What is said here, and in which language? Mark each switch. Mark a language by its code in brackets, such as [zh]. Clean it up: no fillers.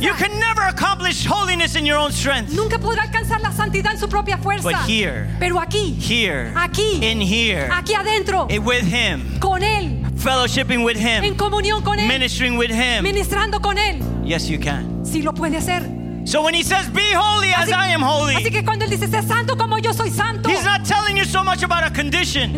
[en] You can never accomplish holiness in your own strength. [es] Nunca podrá alcanzar la santidad en su propia fuerza. [en] But here. [es] Pero aquí. [en] Here. [es] Aquí. [en] In here. [es] Aquí adentro. [en] It with him. [es] Con él. [en] Fellowshipping with him. [es] En comunión con él. [en] Ministering with him. [es] Ministrando con él. [en] Yes, you can. [es] Sí lo puede hacer. [en] So when he says, "Be holy as [es] así, [en] I am holy," [es] así que cuando él dice, "Sé santo como yo soy santo," [en] he's not telling you so much about a condition.